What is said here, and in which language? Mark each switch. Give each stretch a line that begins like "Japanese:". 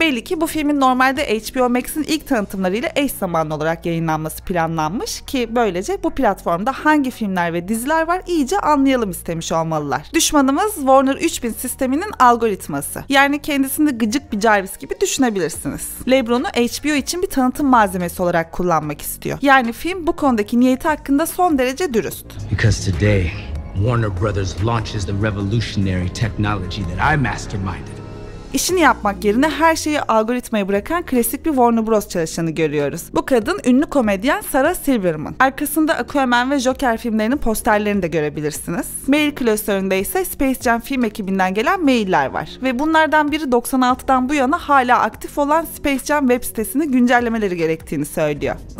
Turkish: Belli ki bu filmin normalde HBO Max'in ilk tanıtımlarıyla eş zamanlı olarak yayınlanması planlanmış ki böylece bu platformda hangi filmler ve diziler var iyice anlayalım istemiş olmalılar. Düşmanımız Warner 3000 sisteminin algoritması. Yani kendisini gıcık bir Jarvis gibi düşünebilirsiniz. LeBron'u HBO için bir tanıtım malzemesi olarak kullanmak istiyor. Yani film bu konudaki niyeti hakkında son derece dürüst.
English: Because today Warner Brothers launches the revolutionary technology that I masterminded.
Turkish: İşini yapmak yerine her şeyi algoritmaya bırakan klasik bir Warner Bros. Çalışanı görüyoruz. Bu kadın ünlü komedyen Sarah Silverman. Arkasında Aquaman ve Joker filmlerinin posterlerini de görebilirsiniz. Mail klasöründe ise Space Jam film ekibinden gelen mailler var. Ve bunlardan biri 96'dan bu yana hala aktif olan Space Jam web sitesini güncellemeleri gerektiğini söylüyor.